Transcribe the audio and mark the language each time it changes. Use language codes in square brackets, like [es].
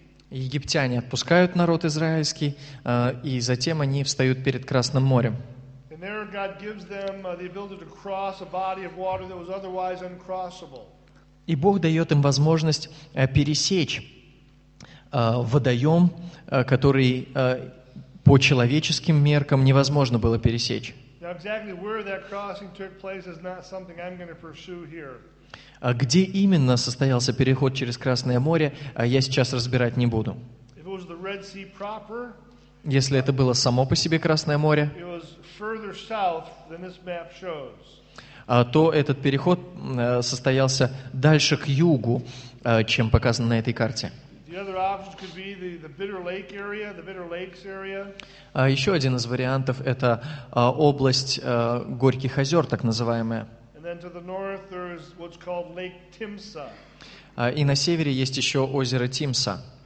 [ru] Египтяне отпускают народ израильский, и затем они встают перед Красным морем. [en] And there God gives them the ability to cross a body of water that was otherwise uncrossable. [ru] И Бог дает им возможность пересечь водоем, который по человеческим меркам невозможно было пересечь. [en] Exactly where that crossing took place is not something I'm going to pursue here. [ru] Где именно состоялся переход через Красное море, я сейчас разбирать не буду. [en] If it was the Red Sea proper, [ru] если это было само по себе Красное море, [en] it was further south than this map shows. [ru] То этот переход состоялся дальше к югу, чем показано на этой карте. Еще один из вариантов — это область Горьких озер, так называемая. И на севере есть еще озеро Тимса.